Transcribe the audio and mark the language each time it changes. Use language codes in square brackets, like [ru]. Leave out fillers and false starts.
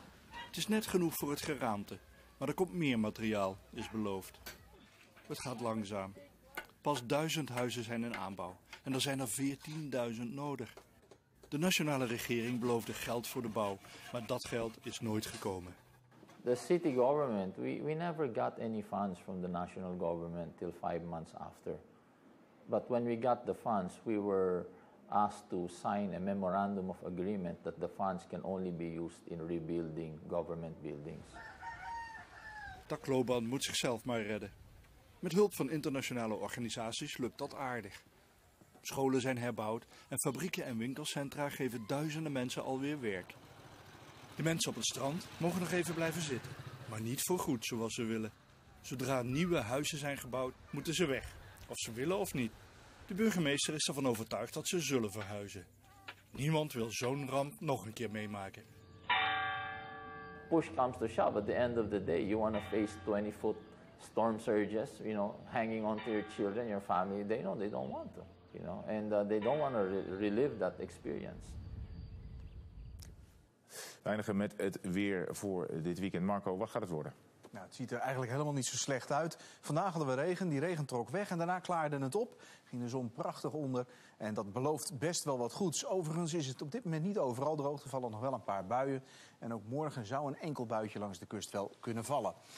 [nl] Het is net genoeg voor het geraamte, maar er komt meer materiaal, is beloofd. Het gaat langzaam. Pas 1000 huizen zijn in aanbouw en er zijn er 14.000 nodig. De nationale regering beloofde geld voor de bouw, maar dat geld is nooit gekomen. [en] The city government, we never got any funds from the national government till 5 months after. But when we got the funds, we were asked to sign a memorandum of agreement that the funds can only be used in rebuilding government buildings. [nl] Tacloban moet zichzelf maar redden. Met hulp van internationale organisaties lukt dat aardig. Scholen zijn herbouwd en fabrieken en winkelcentra geven duizenden mensen alweer werk. De mensen op het strand mogen nog even blijven zitten, maar niet voorgoed zoals ze willen. Zodra nieuwe huizen zijn gebouwd, moeten ze weg, of ze willen of niet. De burgemeester is ervan overtuigd dat ze zullen verhuizen. Niemand wil zo'n ramp nog een keer meemaken. [en] Push comes to shove, at the end of the day you want to face 20-foot storm surges, you know, hanging on to your children, your family. They know they don't want to, you know, and they don't want to relive that experience. [nl] Eindigen met het weer voor dit weekend. Marco, wat gaat het worden? Nou, het ziet er eigenlijk helemaal niet zo slecht uit. Vandaag hadden we regen, die regen trok weg en daarna klaarde het op. Ging de zon prachtig onder en dat belooft best wel wat goeds. Overigens is het op dit moment niet overal droog, er vallen nog wel een paar buien. En ook morgen zou een enkel buitje langs de kust wel kunnen vallen.